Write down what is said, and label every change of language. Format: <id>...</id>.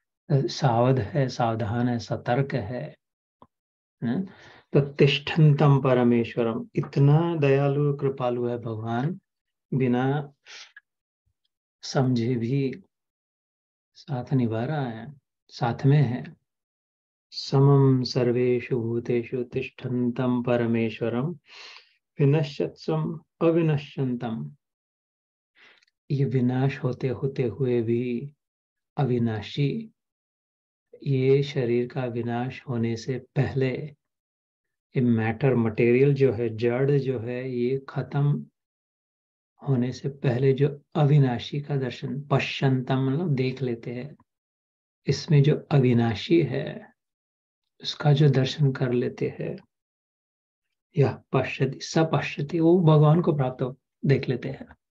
<hi>तो सावध है, सावधान है, सतर्क है न? तो</hi> <sa>तिष्ठन्तम् परमेश्वरम्,</sa> <hi>इतना दयालु कृपालु है भगवान, बिना समझे भी साथ निभा रहा है, साथ में है।</hi> <sa>समम सर्वेषु भूतेषु तिष्ठन्तम् परमेश्वरम् विनश्यत्सम अविनश्यन्तम्।</sa> <hi>ये विनाश होते होते हुए भी अविनाशी, ये शरीर का विनाश होने से पहले ये मैटर मटेरियल जो है, जड़ जो है, ये खत्म होने से पहले जो अविनाशी का दर्शन, पश्यन्तम् मतलब देख लेते हैं, इसमें जो अविनाशी है उसका जो दर्शन कर लेते हैं,</hi> <sa>यह पश्यति स पश्यति,</sa> <hi>वो भगवान को प्राप्त देख लेते हैं।</hi>